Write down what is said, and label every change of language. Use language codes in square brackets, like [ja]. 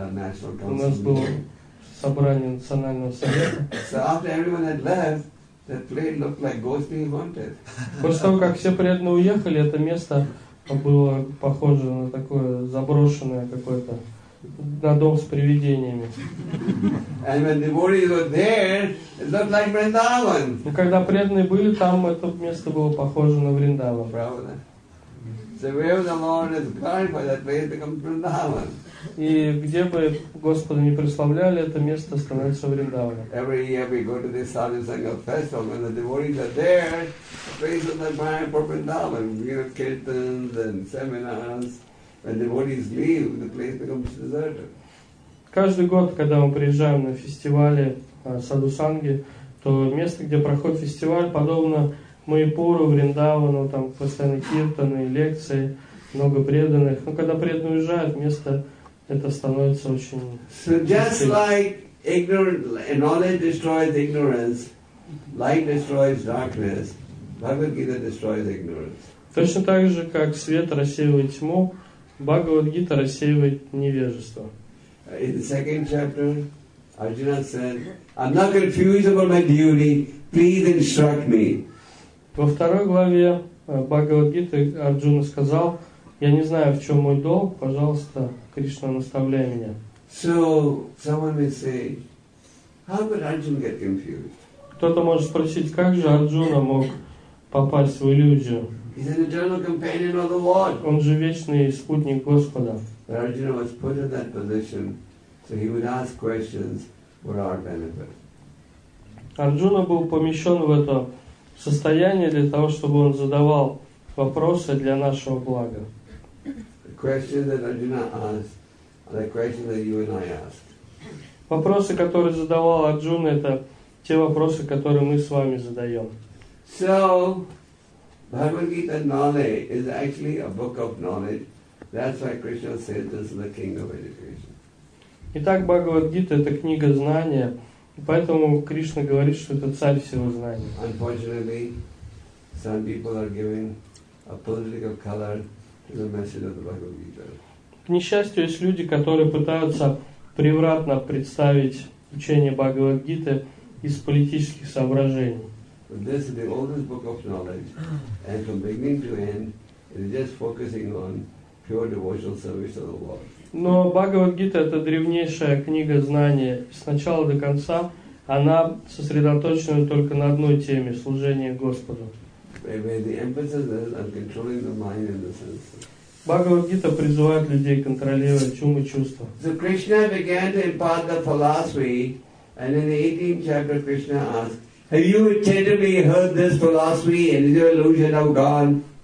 [ru] у нас было собрание национального совета. После того, как все преданные уехали, это место было похоже на такое заброшенное какое-то, на дом с привидениями. [en] And when devotees were there, it looked like Vrindavan. [ru] Но когда преданные были там, это место было похоже на Вриндаван. Правда? [en] So wherever the Lord is glorified, that place becomes Vrindavan. [ru] И где бы Господа не прославляли, это место становится Вриндаваном. [en] Every year we go to this Sadhu Sangha festival, when the devotees are there, the place of the Maya for Vrindavan, you know, kirtans and seminars, when devotees leave, the place becomes deserted. [ru] Каждый год, когда мы приезжаем на фестивали Sadhu Sangha, то место, где проходит фестиваль, подобно Майпуру, Вриндавану, там постоянно киртаны, лекции, много преданных. Но когда преданные уезжают, место это становится очень. [en] So just like ignorance, knowledge destroys ignorance, light destroys darkness, Bhagavad Gita destroys ignorance. [ru] Точно так же, как свет рассеивает тьму, Бхагавад Гита рассеивает невежество. [en] In the second chapter, Arjuna said, "I'm not confused about my duty. Please instruct me." [ru] Во второй главе Бхагавад Гиты Арджуна сказал: я не знаю, в чем мой долг, пожалуйста, Кришна, наставляй меня. [en] So someone may say, how could Arjuna get confused? [ru] Кто-то может спросить, как же Арджуна мог попасть в иллюзию? [en] He's an eternal companion of the Lord. [ru] Он же вечный спутник Господа. [en] But Arjuna was put in that position, so he would ask questions for our benefit. [ru] Арджуна был помещен в это состояние для того, чтобы он задавал вопросы для нашего блага. [en] The questions that Arjuna asked are the questions that you and I ask. [ru] Вопросы, которые задавал Арджуна, это те вопросы, которые мы с вами задаем. [en] So, Bhagavad Gita knowledge is actually a book of knowledge. That's why Krishna says this is the king of education. [ru] Итак, Бхагавад Гита — это книга знания, поэтому Кришна говорит, что это царь всего знания. [en] Unfortunately, some people are giving a political color to the message of the Bhagavad Gita. [ru] К несчастью, есть люди, которые пытаются превратно представить учение Бхагавад Гиты из политических соображений. [en] But this is the oldest book of knowledge, and from beginning to end, it is just focusing on pure devotional service to the Lord. [ru] Но Бхагавад Гита — это древнейшая книга знания. С начала до конца она сосредоточена только на одной теме — служение Господу. [en] The emphasis is on controlling the mind and the senses. [ru] Бхагавад Гита призывает людей контролировать ум и чувства. [en] So Krishna began to impart the philosophy, and in the 18th chapter, Krishna asked, have you attentively heard this philosophy and is your illusion now gone?